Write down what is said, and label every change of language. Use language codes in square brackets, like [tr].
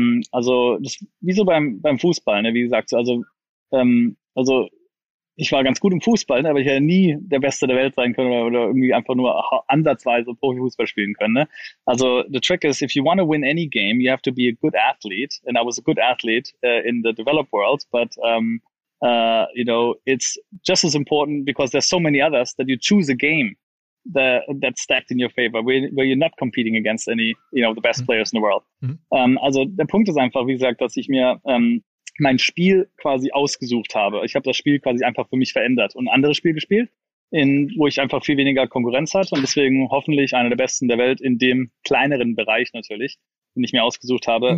[de] Also das wie so beim Fußball, ne? Wie gesagt, also ich war ganz gut im Fußball, ne, aber ich hätte nie der Beste der Welt sein können oder irgendwie einfach nur ansatzweise Profifußball spielen können. Ne? [en] Also the trick is, if you want to win any game, you have to be a good athlete. And I was a good athlete in the developed world. But, you know, it's just as important because there's so many others that you choose a game that's stacked in your favor, where you're not competing against any, you know, the best players in the world. [de] Also der Punkt ist einfach, wie gesagt, dass ich mir mein Spiel quasi ausgesucht habe. Ich habe das Spiel quasi einfach für mich verändert und ein anderes Spiel gespielt, wo ich einfach viel weniger Konkurrenz hatte und deswegen hoffentlich einer der besten der Welt in dem kleineren Bereich natürlich, den ich mir ausgesucht habe.